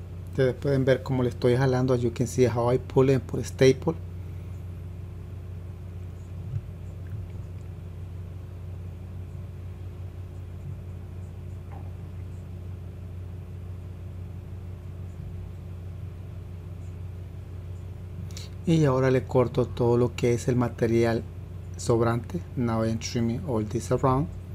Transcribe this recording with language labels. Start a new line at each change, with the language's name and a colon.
Spanish: Ustedes pueden ver cómo le estoy jalando.
English: You can see how I pull and put a staple.
Spanish: Y ahora le corto todo lo que es el material sobrante.
English: Now I'm trimming all this around.